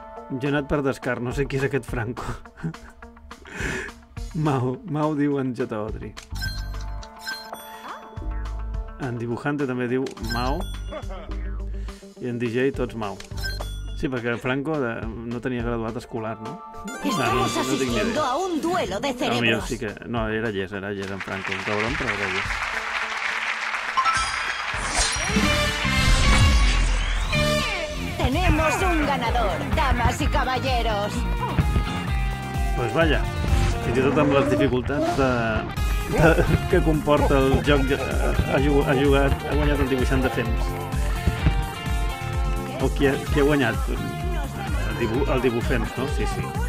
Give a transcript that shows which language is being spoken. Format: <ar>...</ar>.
<ca>Jo he anat per descart. No sé qui és aquest Franco. Mao. Mao diu en Jota Odri. En Dibujante també diu Mao. I en DJ tots Mao. Sí, perquè Franco no tenia graduat escolar, no?</ca> <es>Estamos asistiendo a un duelo de cerebros.</es> <ca>No, sí que... no, era llest en Franco. Un cabrón, però era llest.</ca> <es>Tenemos un ganador, damas y caballeros. Pues vaya,</es> <ca>fins i tot amb les dificultats de que comporta el joc ha jugat, ha guanyat el dibuixant de fems. O qui ha guanyat? El Dibufems, no? Sí, sí.</ca>